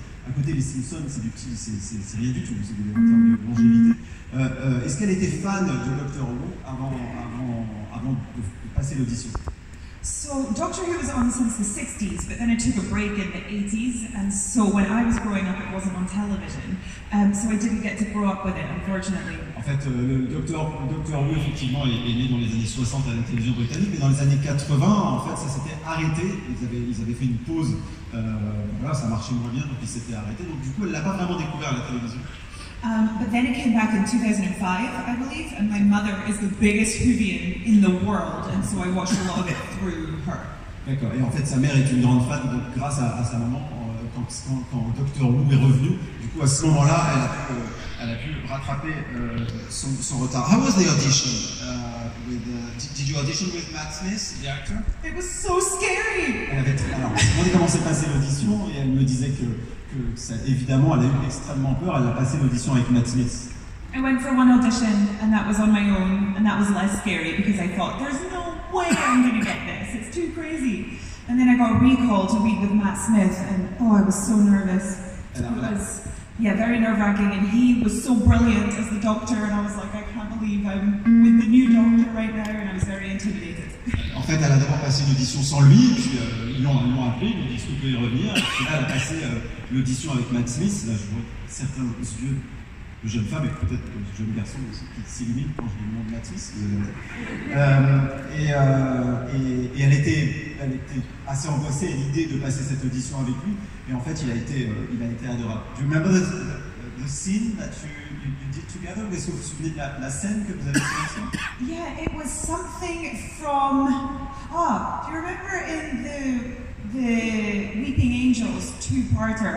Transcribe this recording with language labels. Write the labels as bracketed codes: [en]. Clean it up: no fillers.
[fr] À côté des Simpsons, c'est rien du tout, c'est en termes de longévité. Est-ce qu'elle était fan de Doctor Who avant de passer l'audition? [en] So, Doctor Who was on since the 60s, but then it took a break in the 80s, and so when I was growing up, it wasn't on television, so I didn't get to grow up with it, unfortunately. [fr] En fait, Doctor Who, effectivement, est né dans les années 60 à la télévision britannique, mais dans les années 80, en fait, ça s'était arrêté, ils avaient fait une pause, voilà, ça marchait moins bien, donc ils s'étaient arrêtés, donc du coup, elle l'a pas vraiment découvert, la télévision. [en] But then it came back in 2005, I believe, and my mother is the biggest Whovian in the world, and so I watched a lot of it through her. [fr] D'accord, et en fait sa mère est une grande fan, donc grâce à sa maman, quand Dr. Who est revenu, du coup à ce moment-là, elle a pu rattraper son retard. [en] How was the audition? Did you audition with Matt Smith, the actor? It was so scary! [fr] Alors, comment s'est passée l'audition, et elle me disait que ça, évidemment, elle a eu extrêmement peur, elle a passé l'audition avec Matt Smith. [en] I went for one audition, and that was on my own, and that was less scary, because I thought, there's no way I'm gonna get this, it's too crazy. And then I got a recall to read with Matt Smith, and oh, I was so nervous. Yeah, very nerve-wracking, and he was so brilliant as the doctor, and I was like, I can't believe I'm with the new doctor right now, and I was very intimidated. [fr] En fait, elle a d'abord passé une audition sans lui, puis ils l'ont appelé, ils ont dit, vous pouvez revenir, puis là, elle a passé l'audition avec Matt Smith, là, je vois certains de ses yeux de jeune femme, et peut-être de jeune garçon aussi, qui s'illumine quand je lui demande Matt Smith. Et elle était assez angoissée à l'idée de passer cette audition avec lui. Et en fait, il a été adorable. [en] Do you remember the scene that you did together? [fr] Est-ce que vous vous souvenez de la scène que vous avez fait ensemble? [en] Yeah, it was something from... Oh, do you remember in the Weeping Angels two-parter?